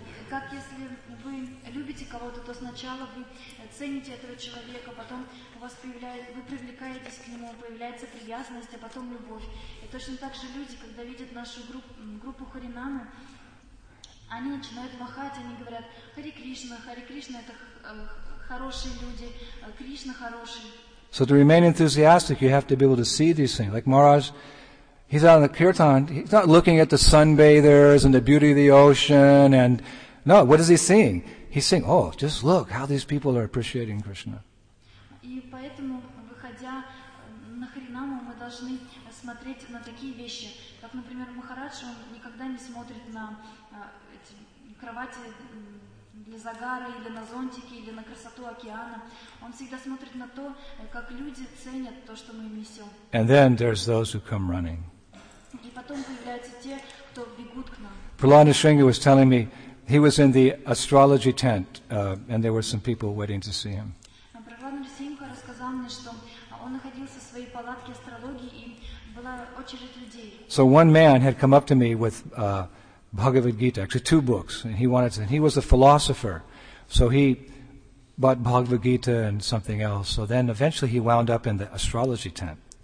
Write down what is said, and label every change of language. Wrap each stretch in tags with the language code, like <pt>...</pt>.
<ru>Как если вы любите кого-то, то сначала вы цените этого человека, потом вы привлекаетесь к нему, появляется привязанность, а потом любовь. И точно так же люди, когда видят нашу группу Харинамы, они начинают махать, они говорят, Харе Кришна это хорошие люди, Кришна хороший.</ru> <en>So to remain enthusiastic, you have to be able to see these things. Like Maharaj, he's out in the kirtan, he's not looking at the sunbathers and the beauty of the ocean. And no, what is he seeing? He's saying, oh, just look how these people are appreciating Krishna.</en> <ru>И поэтому, выходя на харинаму, мы должны смотреть на такие вещи. Как, например, Махарадж, он никогда не смотрит на эти кровати для загара, или на зонтики, или на красоту океана. Он всегда смотрит на то, как люди ценят то, что мы им несем.</ru> <en>And then there's those who come running.</en> <ru>И потом появляются те, кто бегут к нам.</ru> <en>Prahlada Sringa was telling me, he was in the astrology tent, and there were some people waiting to see him.</en> <ru>Prahlada Sringa рассказал мне, что он находился в своей палатке астрологии, и была очередь людей.</ru> <en>So one man had come up to me with Bhagavad Gita, actually two books, and he wanted to, and he was a philosopher, so he bought Bhagavad Gita and something else, so then eventually he wound up in the astrology tent.</en>